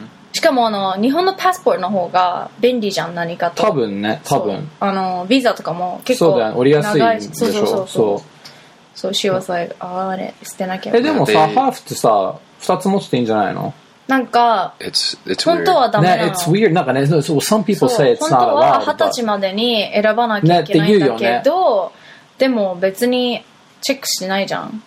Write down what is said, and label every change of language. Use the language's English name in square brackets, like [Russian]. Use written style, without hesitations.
[Japanese] しかもあの日本のパスポートの方が便利じゃん何かと多分ね多分あのビザとかも結構そうだよ、ね、降りやすいでしょそう [English] she was like [Japanese] あれ捨てなきゃえでもさハーフってさ2つ持ってていいんじゃないのなんか [English] it's [Japanese] 本当はダメなの、 [English] ね、it's weird [Japanese] なんかね [English] so some people say it's not allowed [Japanese] 本当は20歳までに選ばなきゃいけないんだけど、ねね、でも別にチェックしてないじゃん